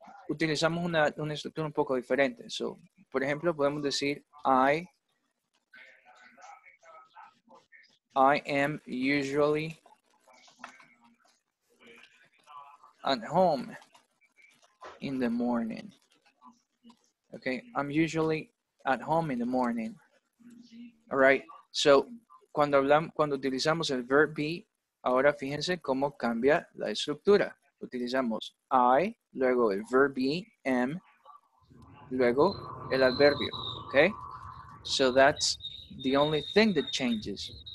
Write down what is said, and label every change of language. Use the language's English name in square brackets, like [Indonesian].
[Spanish] Utilizamos una estructura un poco diferente. So, por ejemplo, podemos decir [English] I am usually at home in the morning. Okay, I'm usually at home in the morning. All right, so [Spanish] cuando hablamos, cuando utilizamos el verb be, ahora fíjense cómo cambia la estructura. Utilizamos I, luego el verb be, am, luego el adverbio. [English] Okay, so that's the only thing that changes.